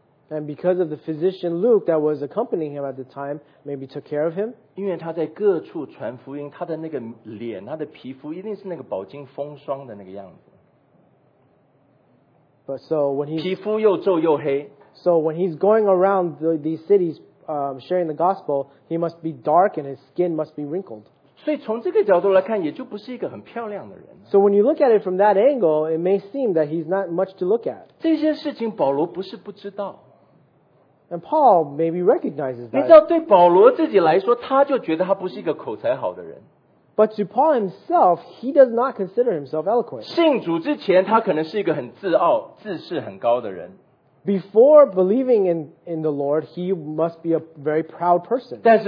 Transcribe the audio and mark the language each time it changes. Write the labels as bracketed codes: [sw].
[en] And because of the physician Luke that was accompanying him at the time, maybe took care of him. [zh] 因为他在各处传福音，他的那个脸，他的皮肤一定是那个饱经风霜的那个样子。 [en] But so when he's [zh] 皮肤又皱又黑。 [en] So when he's going around these cities sharing the gospel, he must be dark and his skin must be wrinkled. [zh] 所以从这个角度来看，也就不是一个很漂亮的人。 [en] So when you look at it from that angle, it may seem that he's not much to look at. [zh] 这些事情保罗不是不知道。 [en] And Paul maybe recognizes that. [zh] 你知道对保罗自己来说，他就觉得他不是一个口才好的人。 [en] But to Paul himself, he does not consider himself eloquent. [zh] 信主之前，他可能是一个很自傲、自视很高的人。 [en] Before believing in the Lord, he must be a very proud person.